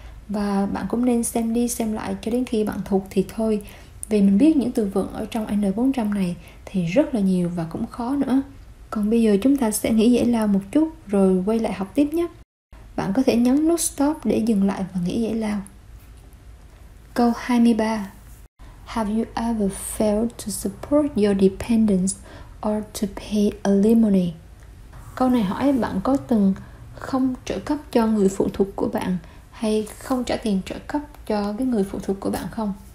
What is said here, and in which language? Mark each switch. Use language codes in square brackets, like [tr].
[vi] Và bạn cũng nên xem đi xem lại cho đến khi bạn thuộc thì thôi. Vì mình biết những từ vựng ở trong N400 này thì rất là nhiều và cũng khó nữa. Còn bây giờ chúng ta sẽ nghỉ giải lao một chút rồi quay lại học tiếp nhé. Bạn có thể nhấn nút stop để dừng lại và nghỉ giải lao. Câu 23. [en] Have you ever failed to support your dependents or to pay alimony? [vi] Câu này hỏi bạn có từng không trợ cấp cho người phụ thuộc của bạn hay không trả tiền trợ cấp cho cái người phụ thuộc của bạn không?